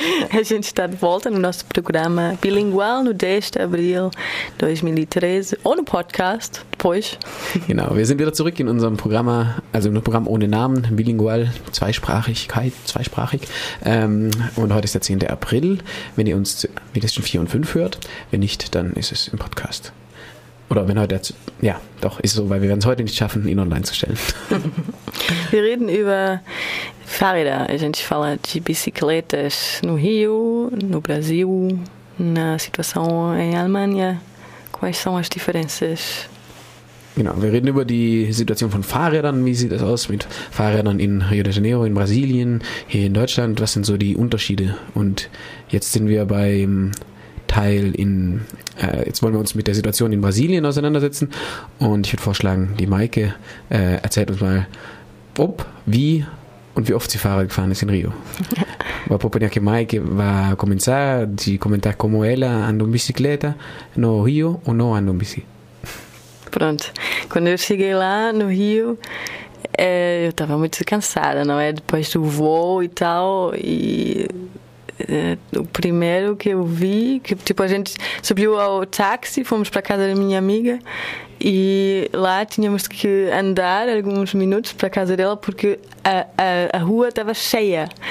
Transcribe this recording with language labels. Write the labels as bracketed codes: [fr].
[pt] A gente está de volta no nosso programa bilingual no 10 de abril 2013, ou no podcast, depois. [de] Genau, wir sind wieder zurück in unserem Programm, also in einem Programm ohne Namen, bilingual, Zweisprachigkeit, zweisprachig. Und heute ist der 10. April, wenn ihr uns mindestens 4 und 5 hört. Wenn nicht, dann ist es im Podcast. Oder wenn heute, ja, doch, ist so, weil wir werden es heute nicht schaffen, ihn online zu stellen. Wir reden über Fahrräder. [pt] A gente fala de bicicletas no Rio, no Brasil, na situação em Alemanha. Quais são as diferenças? [de] Genau, wir reden über die Situation von Fahrrädern. Wie sieht das aus mit Fahrrädern in Rio de Janeiro, in Brasilien, hier in Deutschland? Was sind so die Unterschiede? Und jetzt sind wir beim Teil in, jetzt wollen wir uns mit der Situation in Brasilien auseinandersetzen und ich würde vorschlagen, die Maike erzählt uns mal, ob, wie und wie oft sie Fahrrad gefahren ist in Rio. [pt] Vou propor que Maike vá começar de comentar como ela anda em bicicleta no Rio ou não anda em bici. Pronto, quando eu cheguei lá no Rio, eu estava muito cansada, não é? Depois do voo e tal, e o primeiro que eu vi, que tipo, a gente subiu ao táxi, fomos para a casa da minha amiga e lá tínhamos que andar alguns minutos para a casa dela porque a rua estava cheia.